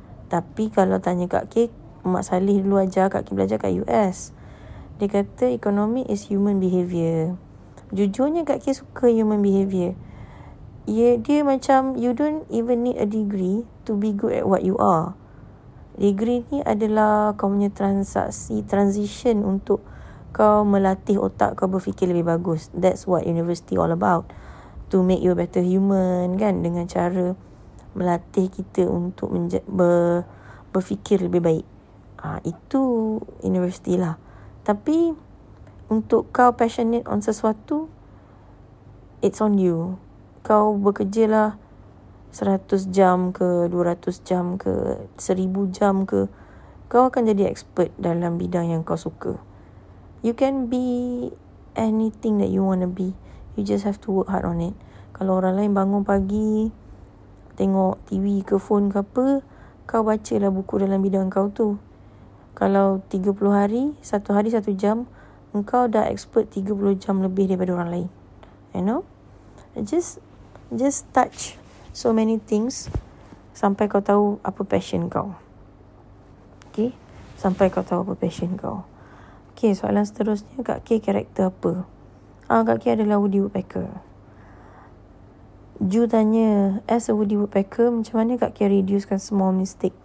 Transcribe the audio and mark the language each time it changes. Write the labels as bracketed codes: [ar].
[ms] Tapi kalau tanya Kak Kee, Mak Salih dulu ajar, Kak Kee belajar kat US. Dia kata [en] economy is human behavior. [ms] Jujurnya Kak Kee suka human behavior. Dia macam [en] you don't even need a degree to be good at what you are. [ms] Degree ni adalah kau punya transaksi, transition untuk kau melatih otak kau berfikir lebih bagus. [en] That's what university all about. To make you a better human [ms] kan, dengan cara melatih kita untuk berfikir lebih baik. Itu university lah. Tapi untuk kau passionate on sesuatu, [en] it's on you. [ms] Kau bekerjalah 100 jam ke, 200 jam ke, 1000 jam ke, kau akan jadi expert dalam bidang yang kau suka. [en] You can be anything that you want to be. You just have to work hard on it. [ms] Kalau orang lain bangun pagi, tengok TV ke phone ke apa, kau bacalah buku dalam bidang kau tu. Kalau 30 hari, satu hari satu jam, engkau dah expert 30 jam lebih daripada orang lain. [en] You know? Just touch so many things [ms] sampai kau tahu apa passion kau. Okay? Sampai kau tahu apa passion kau. Okay, soalan seterusnya, Kak Kee karakter apa? Kak Kee adalah Woody Woodpecker. Ju tanya, [en] as a Woody Woodpecker, [ms] macam mana Kak Kee reducekan small mistake?